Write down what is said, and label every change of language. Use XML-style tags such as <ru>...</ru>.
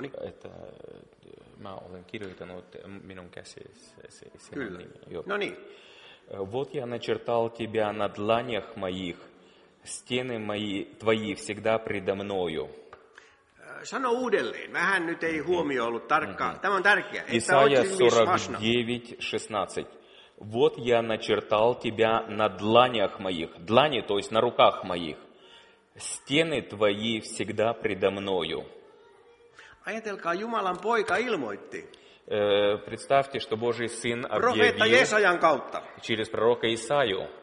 <fi>Että mä olen kirjoittanut minun käsissä. Kyllä. No niin.</fi> <ru>Вот я начертал тебя на дланях моих, стены мои твои всегда предо мною.</ru> <fi>Sano uudelleen. Vähän nyt ei huomio ollut tarkkaan. Tämä on tärkeä.</fi> <ru>Исайя 49:16. Вот я начертал тебя на дланях моих, длани, то есть на руках моих. Стены твои всегда предо мною.</ru> <fi>Ajatelkaa, Jumalan poika ilmoitti.</fi> <ru>Представьте, что Божий Сын объявил через пророка Исаию.</ru>